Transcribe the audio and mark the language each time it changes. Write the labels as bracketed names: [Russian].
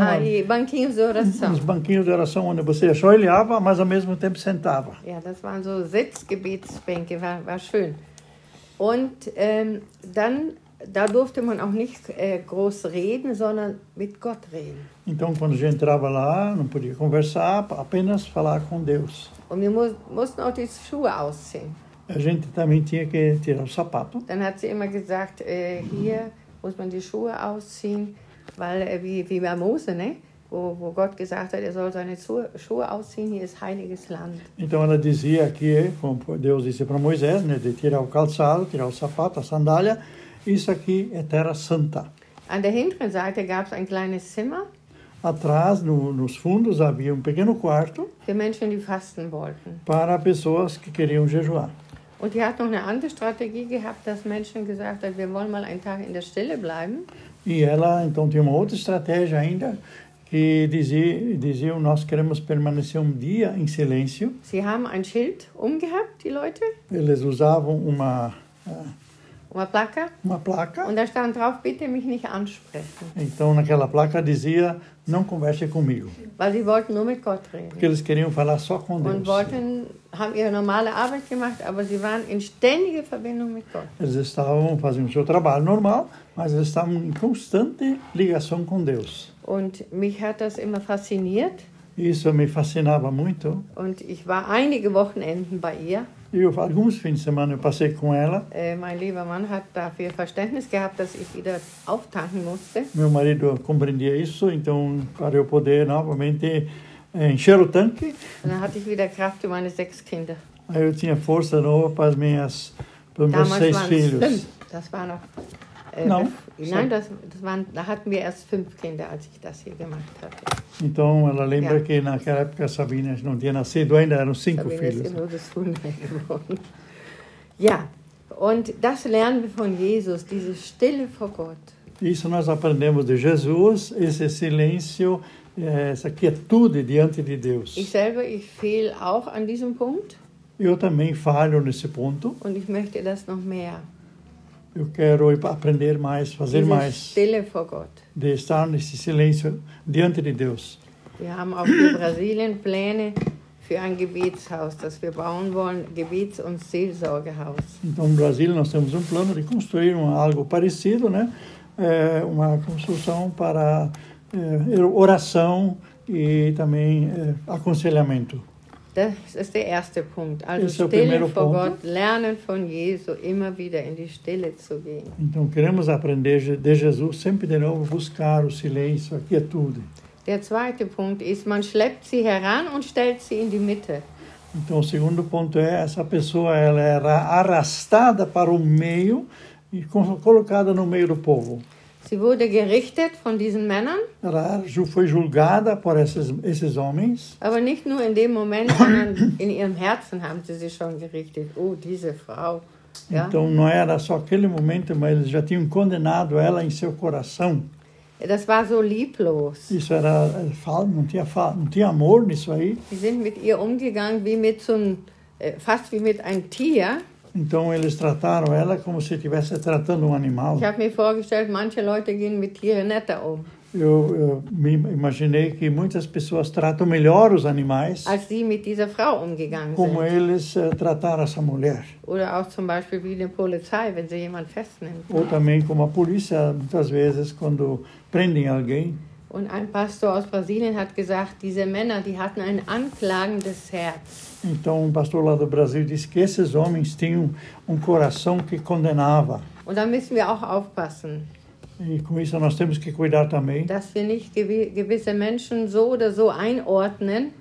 [Portuguese] Ah, e banquinhos de oração. Os banquinhos de oração onde você ajoelhava, mas ao mesmo tempo sentava. [German] Ja, das waren so Sitzgebetsbänke, war schön. Und dann da durfte man auch nicht groß reden, sondern mit Gott reden. [Portuguese] Então quando a gente entrava lá, não podia conversar, apenas falar com Deus. [German] Und wir mussten auch die Schuhe ausziehen. [Portuguese] A gente também tinha que tirar o sapato. [German] Dann hat sie immer gesagt, hier muss man die Schuhe ausziehen, weil wie bei Mose, ne? Wo Gott gesagt hat, soll seine Schuhe ausziehen, hier ist heiliges Land. [Portuguese] Então ela dizia aqui, como Deus disse para Moisés, né, de tirar o calçado, tirar o sapato, a sandália, isso aqui é terra santa. [German] An der hinteren Seite gab es ein kleines Zimmer. [Portuguese] Atrás, nos fundos, havia pequeno quarto. [German] Für Menschen, die fasten wollten. [Portuguese] Para pessoas que queriam jejuar. [German] Und die hat noch eine andere Strategie gehabt, dass Menschen gesagt haben, wir wollen mal einen Tag in der Stille bleiben. [Portuguese] E ela, então, tinha uma outra estratégia ainda, que dizia, nós queremos permanecer dia em silêncio. [German] Sie haben ein Schild umgehabt, die Leute? [Portuguese] Eles usavam uma Uma placa? Uma placa. [German] Und da stand drauf, bitte mich nicht ansprechen. [Portuguese] Então naquela placa dizia, não converse comigo. [German] Weil sie wollten nur mit Gott reden. [Portuguese] Porque eles queriam falar só com Deus. [German] Und wollten, haben ihre normale Arbeit gemacht, aber sie waren in ständiger Verbindung mit Gott. [Portuguese] Eles estavam fazendo seu trabalho normal, mas eles estavam em constante ligação com Deus. [German] Und mich hat das immer fasziniert. [Portuguese] Isso me fascinava muito. [German] Und ich war einige Wochenenden bei ihr. [Portuguese] Eu, alguns fins de semana eu passei com ela. [German] Mein lieber Mann hat dafür Verständnis gehabt, dass ich wieder auftanken musste. [Portuguese] Meu marido compreendia isso, então para eu poder novamente encher o tanque. [German] Und dann hatte ich wieder Kraft für meine 6 Kinder. [Portuguese] Aí eu tinha força nova para as minhas, para os meus 6 filhos. [German] Das war noch, [Portuguese] não. [German] Nein, das waren, da hatten wir erst 5 Kinder, als ich das hier gemacht hatte. [Portuguese] Então, ela lembra que naquela época a Sabine não tinha nascido ainda, eram 5 filhos. [German] Sabine ist das Wunder geworden. Ja, und das lernen wir von Jesus, diese Stille vor Gott. [Portuguese] Isso nós aprendemos de Jesus, esse silêncio, essa quietude diante de Deus. [German] Ich selber, ich fehl auch an diesem Punkt. [Portuguese] Eu também falho nesse ponto. [German] Und ich möchte das noch mehr. [Portuguese] Eu quero aprender mais, fazer mais. [German] Stille vor Gott. [Portuguese] De estar nesse silêncio diante de Deus. [German] Wir haben auch in Brasilien Pläne für ein Gebetshaus, das wir bauen wollen, Gebets- und Seelsorgehaus. [Portuguese] Então, no Brasil, nós temos plano de construir algo parecido, né? Uma construção para oração e também aconselhamento. [German] Das ist der erste Punkt. Also [Portuguese] esse [German] Stille vor [Portuguese] ponto. [German] Gott, lernen von Jesus, immer wieder in die Stille zu gehen. [Portuguese] Então queremos aprender de Jesus, sempre de novo buscar o silêncio, a quietude. [German] Der zweite Punkt ist, man schleppt sie heran und stellt sie in die Mitte. [Portuguese] Então o segundo ponto é, essa pessoa ela era arrastada para o meio e colocada no meio do povo. [German] Sie wurde gerichtet von diesen Männern. [Portuguese] Ela foi julgada por esses homens. [German] Aber nicht nur in dem Moment, sondern in ihrem Herzen haben sie sich schon gerichtet. Oh, diese Frau. [Portuguese] Então, [German] ja? [Portuguese] Não era só aquele momento, mas eles já tinham condenado ela em seu coração. [German] Das war so lieblos. [Portuguese] Isso era, não tinha amor nisso aí. [German] Sie sind mit ihr umgegangen wie mit so einem, fast wie mit einem Tier. [Portuguese] Então eles trataram ela como se estivesse tratando animal. [German] Ich habe mir vorgestellt, manche Leute gehen mit Tieren netter um. [Portuguese] Eu me imaginei que muitas pessoas tratam melhor os animais. [German] Als sie mit dieser Frau umgegangen [Portuguese] como [German] sind. [Portuguese] Eles trataram essa mulher. [German] Oder auch zum Beispiel wie die Polizei, wenn sie jemanden festnimmt. [Portuguese] Ou também como a polícia, muitas vezes, quando prendem alguém. [German] Und ein Pastor aus Brasilien hat gesagt, diese Männer, die hatten ein anklagendes Herz. [Portuguese] Então, um pastor lá do Brasil disse que esses homens tinham coração que condenava. [German] Und da müssen wir auch aufpassen. [Portuguese] E com isso nós temos que cuidar também. [German] Dass wir nicht gewisse Menschen so oder so einordnen.